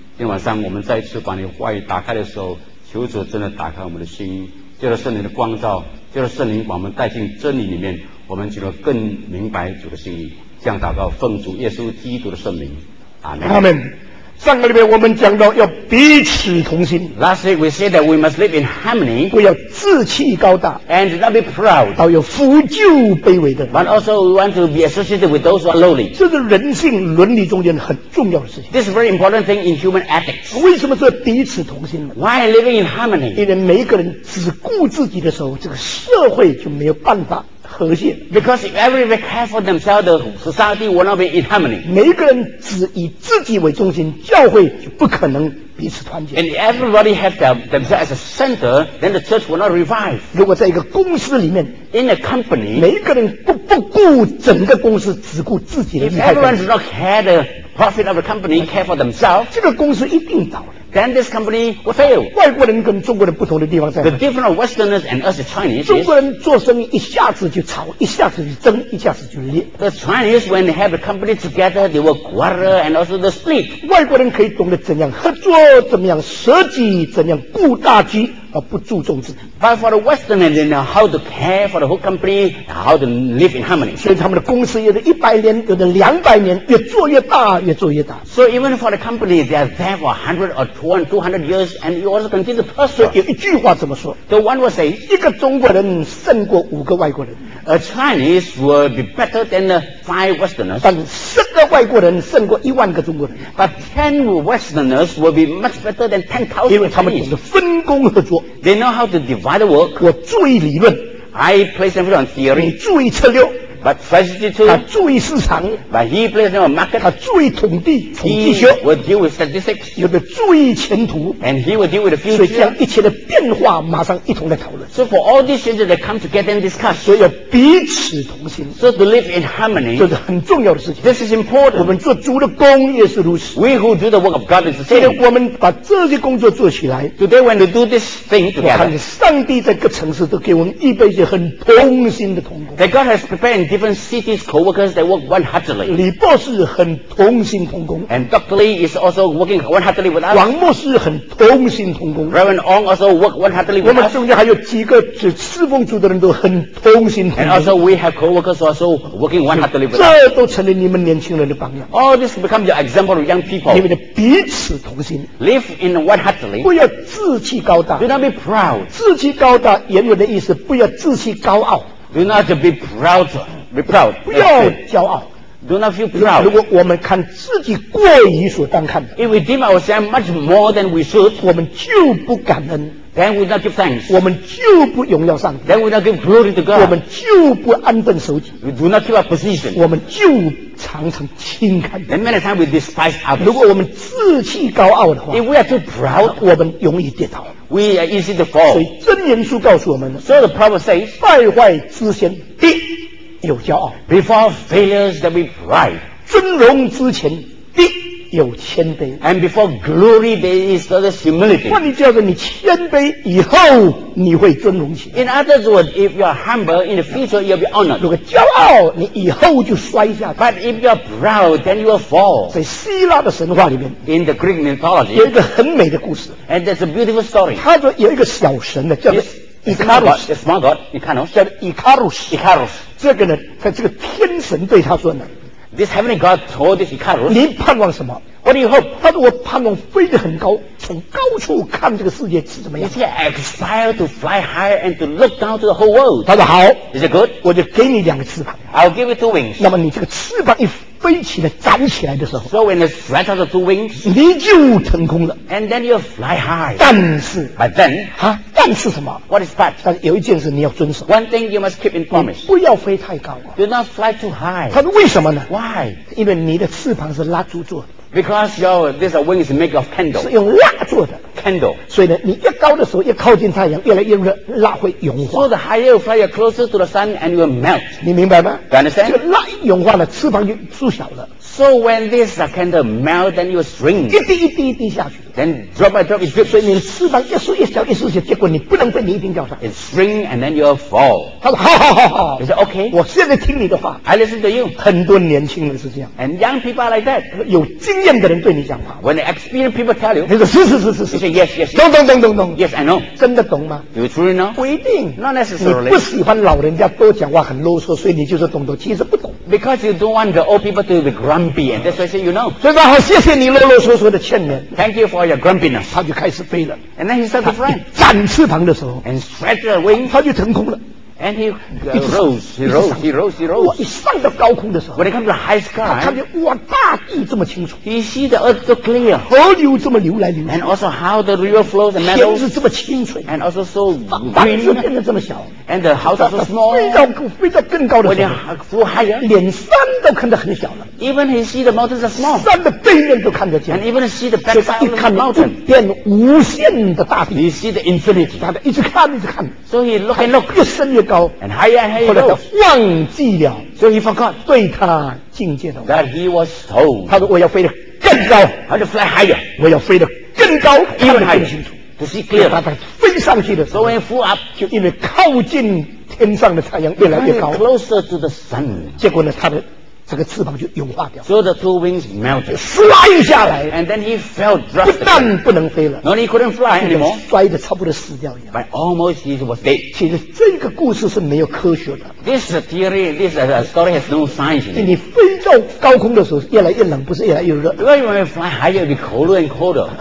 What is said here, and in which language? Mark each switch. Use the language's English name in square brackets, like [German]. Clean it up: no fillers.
[Chinese] 今天晚上我们再次把你话语打开的时候，求主真的打开我们的心，借着圣灵的光照，就是圣灵把我们带进真理里面，我们就能更明白主的心意。这样祷告，奉主耶稣基督的圣名，阿门。阿门。上个礼拜我们讲到要彼此同心。 [English] Last week we said that we must live in harmony. [Chinese] 不要自气高大。 [English] And not be proud. [Chinese] 倒要扶救卑微的。 [English] But also we want to be associated with those who are lowly. [Chinese] 这是人性伦理中间很重要的事情。 [English] This is very important thing in human ethics. [Chinese] 为什么说彼此同心呢 [English] ？Why living in harmony? [Chinese] 因为每一个人只顾自己的时候，这个社会就没有办法。和谐 [English] ，because if everybody cares for themselves, the society will not be in harmony. [Chinese] 每一个人只以自己为中心，教会就不可能彼此团结。 [English] And everybody have themselves as a center, then the church will not revive. [Chinese] 如果在一个公司里面 [English] ，in a company, [Chinese] 每一个人不顾整个公司，只顾自己的利 [English] 益。If everyone does not care the profit of the company, care for themselves, [Chinese] 这个公司一定倒。 [English] Then this company will fail. [Chinese] 外国人跟中国人不同的地方在 [English] The difference of Westerners and us is Chinese. [Chinese] 中国人做生意一下子就吵，一下子就争，一下子就裂。 [English] The Chinese when they have a company together, they will quarrel and also they split. [Chinese] 外国人可以懂得怎样合作，怎么样设计，怎样顾大局而不注重自己。 [English] But for the Westerners, they know how to care for the whole company, how to live in harmony. [Chinese] 所以他们的公司有的100年，有的200年，越做越大，越做越大。 [English] So even for the company, they are there for 100 or 200 years and you also continue to prosper. [Chinese] 有一句话怎么说 [English] ？The one will say, [Chinese] 一个中国人胜过五个外国人。 [English] A Chinese will be better than the 5 Westerners. [Chinese] 但十个外国人胜过10,000个中国人。 [English] But 10 Westerners will be much better than 10,000. [Chinese] 因为他们懂得分工合作。 [English] They know how to divide the work. [Chinese] 我注意理论。 [English] I place emphasis on theory. [Chinese] 你注意策略。 [English] But strategy too. [Chinese] 他注意市场。 [English] But he plays on market. [Chinese] 他注意统计，统计学。 [English] He will deal with statistics. [Chinese] 有的注意前途。 [English] And he will deal with the future. [Chinese] 所以将一切的变化马上一同来讨论。 [English] So for all these changes, they come together and discuss. [Chinese] 所以要彼此同心。 [English] So to live in harmony. [Chinese] 这是很重要的事情。 [English] This is important. [Chinese] 我们做主的工也是如此。 [English] We who do the work of God is the same. [Chinese] 今天我们把这些工作做起来。 [English] Today when we do this thing together. [Chinese] 我看上帝在各城市都给我们预备一些很同心的同工。 [English] That God has prepared. Different cities co-workers they work one heartedly. [Chinese] 李博士很同心同工。 [English] And Dr. Lee is also working one heartedly with us. [Chinese] 王牧师很同心同工。 [English] Reverend Ong also work one heartedly with us. [Chinese] 我们中间还有几个只侍奉主的人都很同心同工。 [English] And also we have co-workers also working one heartedly with us. [Chinese] 这都成了你们年轻人的榜样。 [English] All this become your example of young people. [Chinese] 你们的彼此同心。 [English] Live in one heartedly. [Chinese] 不要自气高大。 [English] Do not be proud. [Chinese] 自气高大原文的意思不要自气高傲。 [English] Do not be proud. Be proud. [Chinese] 不要骄傲。 [English] do not feel proud. [Chinese] 如果我们看自己过于所当看的 [English] if we deem ourselves much more than we should, [Chinese] 我们就不感恩 [English] then we not give thanks. [Chinese] 我们就不荣耀上帝 [English] then we not give glory to God. [Chinese] 我们就不安分守己 [English] we do not keep our position. [Chinese] 我们就常常轻看 [English] then many times we despise others. [Chinese] 如果我们志气高傲的话 [English] if we are too proud, [Chinese] 我们容易跌倒 [English] we are easy to fall. [Chinese] 所以真言书告诉我们 [English] so the proverb says, [Chinese] 败坏之先必有骄傲 [English] before failures there will be pride [Chinese] 尊荣之前必有谦卑 [English] and before glory there is the humility [Chinese] 换句话说你谦卑以后你会尊荣起来 [English] in other words if you are humble in the future you will be honored [Chinese] 如果骄傲你以后就摔下去 [English] but if you are proud then you will fall [Chinese] 在希腊的神话里面 [English] in the Greek mythology [Chinese] 有一个很美的故事 [English] and there's a beautiful story [Chinese] 他说有一个小神的叫做Icarus 这个呢他这个天神对他说呢 [English] This heavenly God told this Icarus [Chinese] 你盼望什么 [English] What do you hope [Chinese] 他说我盼望飞得很高从高处看这个世界是怎么样 [English] He said I aspire to fly high and to look down to the whole world [Chinese] 他说好 [English] Is it good [Chinese] 我就给你两个翅膀 [English] I'll give you two wings [Chinese] 那么你这个翅膀一飞起来展起来的时候 [English] So when it spreads out the two wings [Chinese] 你就腾空了 [English] And then you fly high [Chinese] 但是 [English] But then [Chinese] 哈但是什么 [English] What is that [Chinese] 但是有一件事你要遵守 [English] One thing you must keep in promise [Chinese] 不要飞太高、啊、 [English] Do not fly too high [Chinese] 他说为什么呢 [English] Why [Chinese] 因为你的翅膀是蜡烛做的 [English] Because this wing is made of candle [Chinese] 是用蜡做的 [English] Candle [Chinese] 所以呢你越高的时候越靠近太阳越来越热蜡会融化 [English] So the higher you fly you're closer to the sun and you will melt [Chinese] 你明白吗 [English] You understand [Chinese] 这个蜡融化了翅膀就缩小了 [English] So when this candle melt then you shrink [Chinese] 一滴一滴一滴下去 [English] Then drop by drop it [Chinese] 所以你翅膀越缩越小越缩越小结果你不能飞你一定掉下 [English] 来 It shrink and then you'll fall [Chinese] 他说好好好好 [English] He said okay [Chinese] 我现在听你的话 [English] I listen to you [Chinese] 很多年轻人是这样 [English] And young people are like that [Chinese] 有经验的人对你讲话 [English] When the experienced people tell you [Chinese] 他说是是是是是 [English] Yes, yes, yes. Don't, don't, don't, don't, don't. Yes, I know. [Chinese] 真的懂吗 [English] Do you truly know? [Chinese] 不一定 [English] Not necessarily. [Chinese] 你不喜欢老人家多讲话很啰嗦所以你就是懂懂其实不懂 [English] Because you don't want the old people to be grumpy and that's why I say you know. [Chinese] 所以说好谢谢你啰啰嗦嗦的劝勉 [English] Thank you for your grumpiness. [Chinese] 他就开始飞了 [English] And then he started to fly. [Chinese] 展翅膀的时候 [English] And spread the wings. [Chinese] 他就腾空了 [English] And he rose. [Chinese] 一上到高空的时候 [English] When he comes to the high sky [Chinese] 他看见哇大地这么清楚 [English] He sees the earth so clear [Chinese] 河流这么流来流去 [English] And also how the river flows and meadows [Chinese] 天是这么清脆 [English] And also so green [Chinese] 房子变得这么小 [English] And the house is so small [Chinese] 飞到更高的时候 [English] When he flew higher [Chinese] 连山都看得很小了 [English] Even he sees the mountains are small [Chinese] 山的背面都看得见 [English] And even he sees the backside of the mountain [Chinese] 变无限的大地 [English] He sees the infinity [Chinese] 他一直看一直看 [English] So he look and look [Chinese] 越深越高 [English] and higher and higher [Chinese] 后来他忘记了 [English] so he forgot [Chinese] 对他境界的 [English] that he was told [Chinese] 他说我要飞得更高 [English] I want to fly higher [Chinese] 我要飞得更高 [English] even [Chinese] 看得更清楚 [English] to see clear [Chinese] 他飞上去的 [English] so when he flew up [Chinese] 就因为靠近天上的太阳越来越高 [English] closer to the sun [Chinese] 结果呢他的这个翅膀就融化掉 [English] so the two wings melted [Chinese] 摔下来 [English] and then he fell drastically [Chinese] 不但不能飞了 [English] no he couldn't fly anymore [Chinese] 摔得差不多死掉一样 [English] but almost he was dead [Chinese] 其实这个故事是没有科学的 [English] this theory this story has no science [Chinese] 你飞到高空的时候越来越冷不是越来越热 [English] when you fly higher it'll be colder and colder